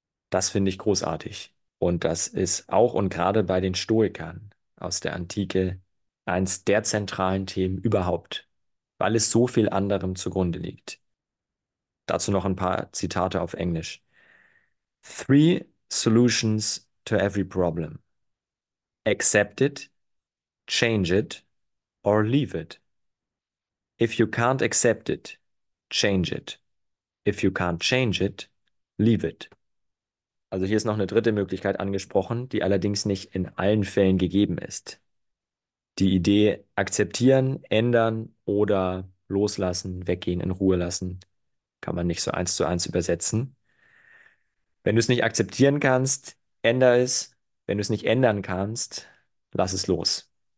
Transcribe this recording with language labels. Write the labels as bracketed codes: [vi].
[de] Das finde ich großartig. Und das ist auch und gerade bei den Stoikern aus der Antike eins der zentralen Themen überhaupt, weil es so viel anderem zugrunde liegt. Dazu noch ein paar Zitate auf Englisch. [en] Three solutions to every problem. Accept it, change it, or leave it. If you can't accept it, change it. If you can't change it, leave it. [de] Also hier ist noch eine dritte Möglichkeit angesprochen, die allerdings nicht in allen Fällen gegeben ist. Die Idee akzeptieren, ändern oder loslassen, weggehen, in Ruhe lassen, kann man nicht so eins zu eins übersetzen. Wenn du es nicht akzeptieren kannst, änder es. Wenn du es nicht ändern kannst, lass es los.